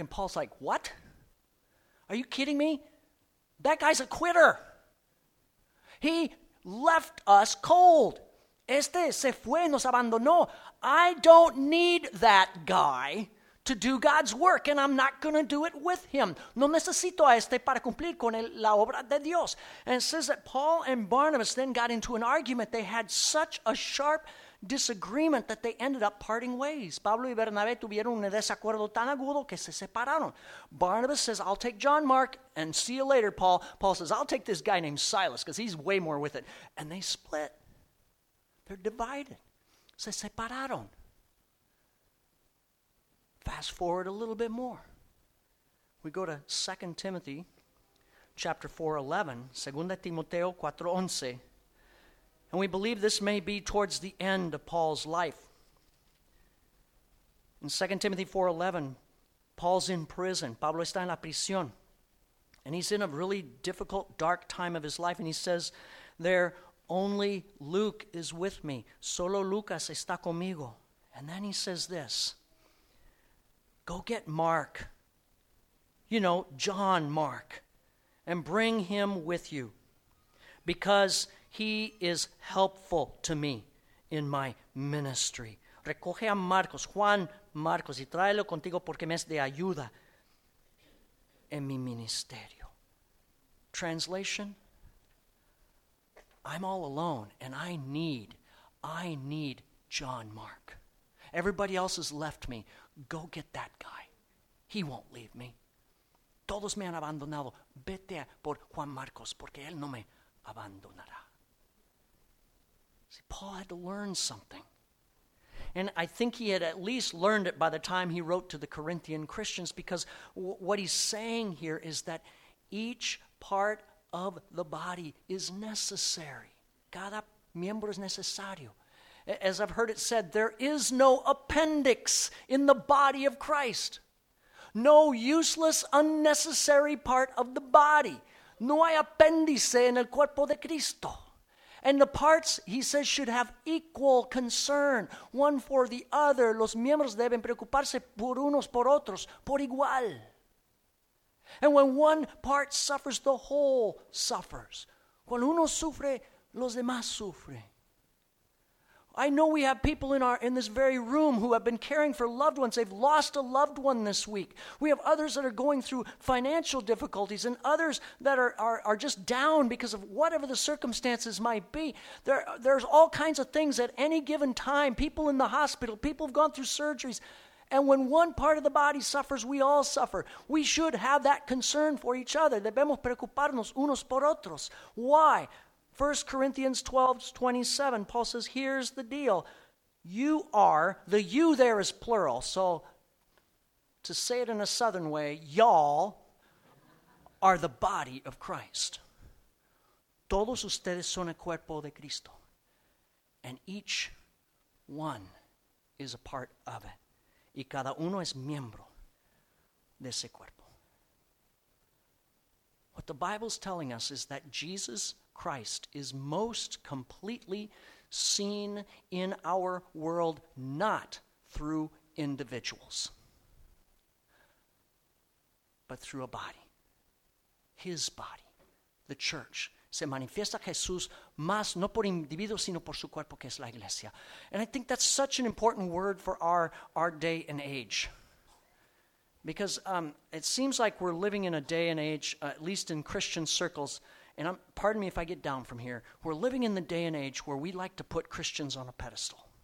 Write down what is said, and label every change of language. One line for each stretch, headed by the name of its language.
English: And Paul's like, what? Are you kidding me? That guy's a quitter. He left us cold.
Spanish: Este se fue, nos abandonó.
English: I don't need that guy to do God's work, and I'm not going to do it with him.
Spanish: No necesito a este para cumplir con la obra de Dios.
English: And it says that Paul and Barnabas then got into an argument. They had such a sharp disagreement that they ended up parting ways.
Spanish: Pablo y Bernabé tuvieron un desacuerdo tan agudo que se separaron.
English: Barnabas says, I'll take John Mark, and see you later, Paul. Paul says, I'll take this guy named Silas, because he's way more with it. And they split. They're divided.
Spanish: Se separaron.
English: Fast forward a little bit more. We go to 2 Timothy chapter 4:11,
Spanish: 2 Timoteo 4:11,
English: and we believe this may be towards the end of Paul's life. In 2 Timothy 4:11, Paul's in prison.
Spanish: Pablo está en la prisión.
English: And he's in a really difficult, dark time of his life, and he says there, only Luke is with me.
Spanish: Solo Lucas está conmigo.
English: And then he says this. Go get Mark. You know, John Mark. And bring him with you. Because he is helpful to me in my ministry.
Spanish: Recoge a Marcos, Juan Marcos, y tráelo contigo porque me es de ayuda en mi ministerio.
English: Translation. I'm all alone, and I need John Mark. Everybody else has left me. Go get that guy. He won't leave me.
Spanish: Todos me han abandonado. Vete por Juan Marcos, porque él no me abandonará.
English: See, Paul had to learn something. And I think he had at least learned it by the time he wrote to the Corinthian Christians, because what he's saying here is that each part of the body is necessary.
Spanish: Cada miembro es necesario.
English: As I've heard it said, there is no appendix in the body of Christ. No useless, unnecessary part of the body.
Spanish: No hay apéndice en el cuerpo de Cristo.
English: And the parts, he says, should have equal concern, one for the other.
Spanish: Los miembros deben preocuparse por unos por otros, por igual.
English: And when one part suffers, the whole suffers.
Spanish: Cuando uno sufre, los demás sufren.
English: I know we have people in this very room who have been caring for loved ones. They've lost a loved one this week. We have others that are going through financial difficulties and others that are just down because of whatever the circumstances might be. There's all kinds of things at any given time. People in the hospital, people have gone through surgeries. And when one part of the body suffers, we all suffer. We should have that concern for each other.
Spanish: Debemos preocuparnos unos por otros.
English: Why? 1 Corinthians 12:27, Paul says, here's the deal. You are, the you there is plural. So to say it in a southern way, y'all are the body of Christ.
Spanish: Todos ustedes son el cuerpo de Cristo.
English: And each one is a part of it.
Spanish: Y cada uno es miembro de ese cuerpo.
English: What the Bible's telling us is that Jesus Christ is most completely seen in our world, not through individuals, but through a body, his body, the church.
Spanish: Se manifiesta Jesús más no por individuos, sino por su cuerpo, que es la iglesia.
English: And I think that's such an important word for our day and age. Because it seems like we're living in a day and age, at least in Christian circles, and pardon me if I get down from here, we're living in the day and age where we like to put Christians on a pedestal.